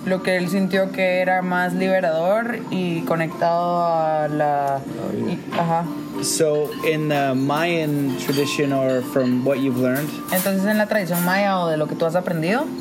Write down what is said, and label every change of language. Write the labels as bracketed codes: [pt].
[es] Lo que él sintió que era más liberador y conectado a la... [en] So in the Mayan tradition, or from what you've learned, [es] entonces en la tradición maya o de lo que tú has aprendido,